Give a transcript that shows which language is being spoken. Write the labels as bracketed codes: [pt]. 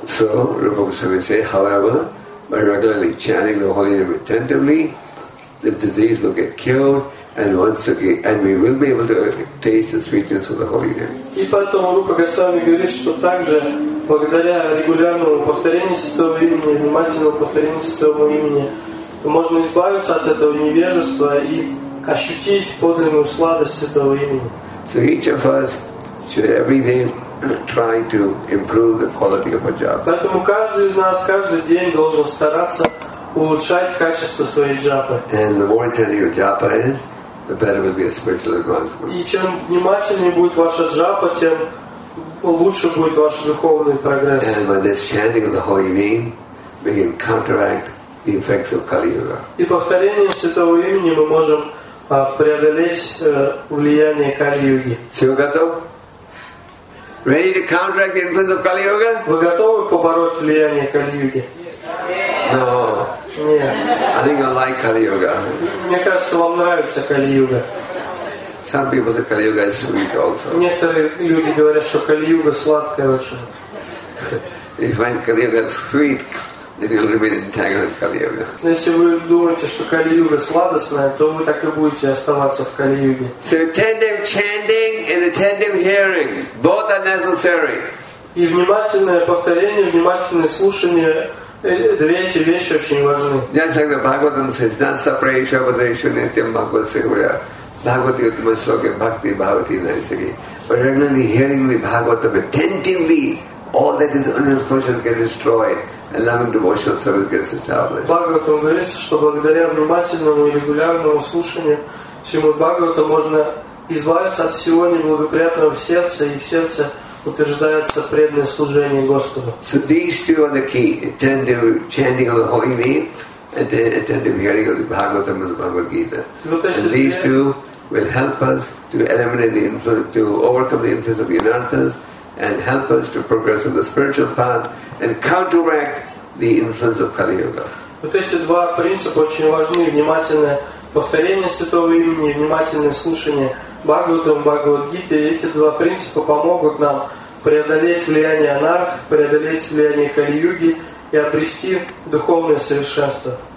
[en] So, Rupa Goswami says, however, by regularly chanting the holy name attentively, the disease will get cured. And once again, and we will be able to taste the sweetness of the holy name. [ru] И потом Рупа Госвами говорит, что также благодаря регулярному повторению святого имени, внимательному повторению святого имени, можно избавиться от этого невежества и ощутить подлинную сладость святого имени. [en] So each of us should every day try to improve the quality of our japa. [ru] Поэтому каждый из нас каждый день должен стараться улучшать качество своей джапы. [en] And the more intense your japa is, the better will be a spiritual advancement. [ru] И чем внимательнее будет ваша джапа, тем лучше будет ваш духовный прогресс. [en] And by this chanting of the holy name, we can counteract the effects of Kali Yuga. [ru] И повторением святого имени мы можем преодолеть влияние Кали-Юги. Все готовы? [en] Ready to counteract the influence of Kali Yuga? [ru] Вы готовы побороть влияние Кали-Юги? [en] No. [ru] Нет. [en] I think I like Kali Yuga. [ru] Мне кажется, вам нравится Кали-Юга. [en] Some people say Kali Yuga is sweet also. [ru] Некоторые люди говорят, что Кали-Юга сладкая очень. [en] If you find Kali Yuga sweet, then you'll remain entangled with Kali Yuga. [ru] Если вы думаете, что Кали-Юга сладостная, то вы так и будете оставаться в Кали-Юге. [en] So attentive chanting and attentive hearing, both are necessary. [ru] И внимательное повторение, внимательное слушание. Две эти вещи очень важны. [en] Just like the Bhagavatam says, [sa] Dasta Praisha Vadesha Nityam Bhagavat Sehuya Bhagavati Uttama Sloka Bhakti Bhavati Naisaki. [en] But regularly hearing the Bhagavatam attentively, all that is unfortunate gets destroyed and loving devotional service gets established. [ru] Bhagavatam говорится, что благодаря внимательному и регулярному слушанию Шримад Бхагавата можно избавиться от всего неблагоприятного в сердце и в сердце утверждается преданное служение Господу. [en] So these two are the key: attentive chanting of the holy name and attentive hearing of the Bhagavatam and the Bhagavad Gita. And these two will help us to eliminate the influence, to overcome the influence of the anarthas, and help us to progress on the spiritual path and counteract the influence of Kali Yuga. [ru] Вот эти два принципа очень важны: внимательное повторение святого имени, внимательное слушание Бхагаватам, Бхагавадгите, эти два принципа помогут нам преодолеть влияние анарх, преодолеть влияние Кали-Юги и обрести духовное совершенство.